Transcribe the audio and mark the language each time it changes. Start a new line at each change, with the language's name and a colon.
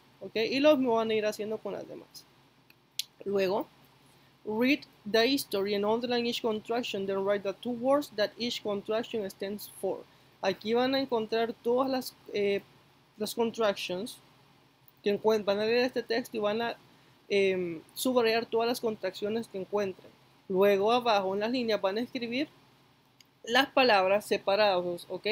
Spanish: Okay, y los me van a ir haciendo con las demás.
English: Luego, read the history and underline each contraction, then write the two words that each contraction stands for.
Spanish: Aquí van a encontrar todas las contractions que encuentran. Van a leer este texto y van a subrayar todas las contracciones que encuentren. Luego, abajo en las líneas, van a escribir las palabras separadas, ¿ok?